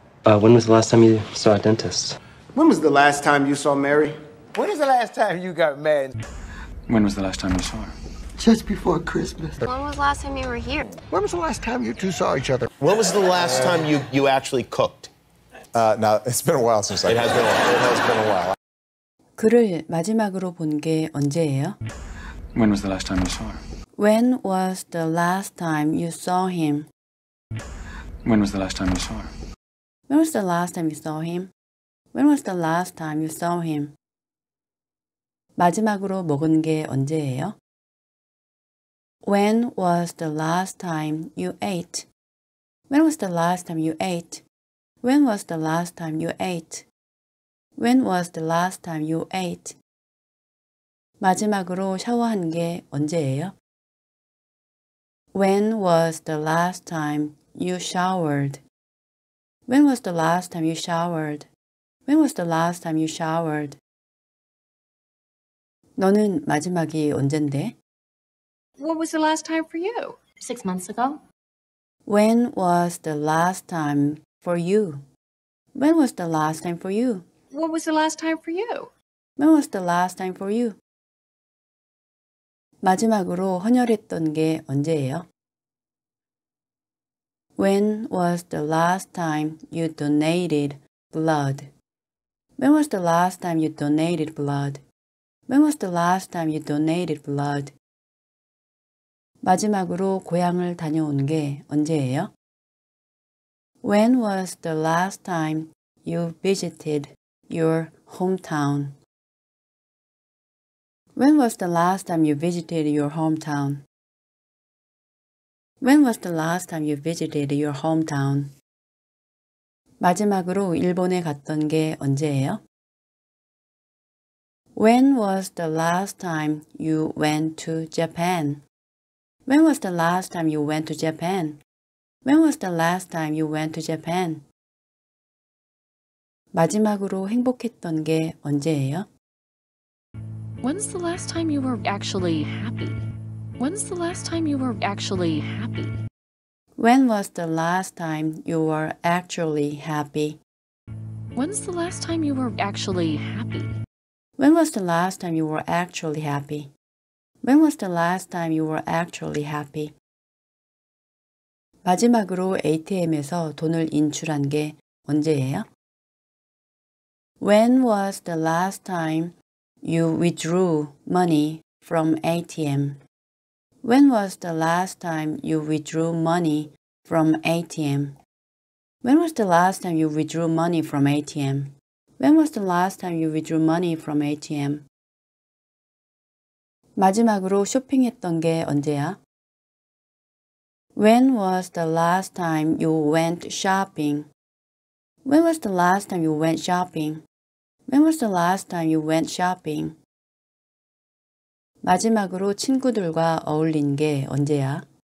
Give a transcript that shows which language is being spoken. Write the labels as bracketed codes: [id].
[en] When was the last time you saw a dentist? When was the last time you saw Mary? When is the last time you got mad? When was the last time you saw her? Just before Christmas. When was the last time you were here? When was the last time you two saw each other? When was the last time you actually cooked? It's been a while since I did. It has been a while. [ko] 그를 마지막으로 본 게 언제예요? [en] When was the last time you saw her? When was the last time you saw him? When was the last time you saw her? When was the last time you saw him? When was the last time you saw him? [ko] 마지막으로 먹은 게 언제예요? [en] When was the last time you ate? When was the last time you ate? When was the last time you ate? When was the last time you ate? [ko] 마지막으로 샤워한 게 언제예요? [en] When was the last time you showered? When was the last time you showered? When was the last time you showered? [ko] 너는 마지막이 언젠데? [en] What was the last time for you? 6 months ago. When was the last time for you? When was the last time for you? What was the last time for you? When was the last time for you? [ko] 마지막으로 헌혈했던 게 언제예요? [en] When was the last time you donated blood? When was the last time you donated blood? When was the last time you donated blood? [ko] 마지막으로 고향을 다녀온 게 언제예요? [en] When was the last time you visited your hometown? When was the last time you visited your hometown? When was the last time you visited your hometown? [ko] 마지막으로 일본에 갔던 게 언제예요? [en] When was the last time you went to Japan? When was the last time you went to Japan? When was the last time you went to Japan? [ko] 마지막으로 행복했던 게 언제예요? [en] When's the last time you were actually happy? When's the last time you were actually happy? When was the last time you were actually happy? When's the last time you were actually happy? When was the last time you were actually happy? When was the last time you were actually happy? [ko] 마지막으로 ATM에서 돈을 인출한 게 언제예요? [en] When was the last time you withdrew money from ATM? When was the last time you withdrew money from ATM? When was the last time you withdrew money from ATM? When was the last time you withdrew money from ATM? [ko] 마지막으로 쇼핑했던 게 언제야? [en] When was the last time you went shopping? When was the last time you went shopping? When was the last time you went shopping? [ko] 마지막으로 친구들과 어울린 게 언제야?